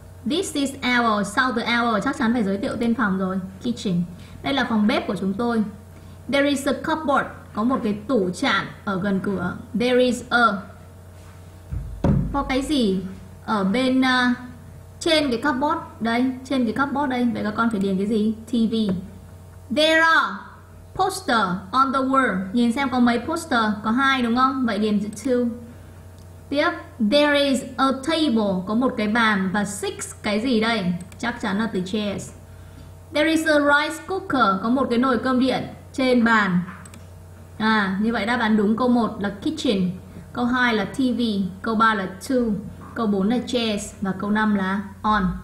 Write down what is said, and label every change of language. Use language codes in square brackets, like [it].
[en] This is our, [vi] sau từ our chắc chắn phải giới thiệu tên phòng rồi. Kitchen. Đây là phòng bếp của chúng tôi. [en] There is a cupboard, [vi] có một cái tủ chạn ở gần cửa. [en] There is a, [vi] có cái gì ở bên trên cái cupboard đây, trên cái cupboard đây. Vậy các con phải điền cái gì? [en] TV. There are poster on the wall. [vi] Nhìn xem có mấy poster? Có hai đúng không? Vậy điền two. Tiếp, [en] there is a table, [vi] có một cái bàn, và six cái gì đây? Chắc chắn là từ chairs. [en] There is a rice cooker, [vi] có một cái nồi cơm điện trên bàn. À, như vậy đáp án đúng câu 1 là kitchen, câu 2 là TV, câu 3 là 2, câu 4 là chairs và câu 5 là on.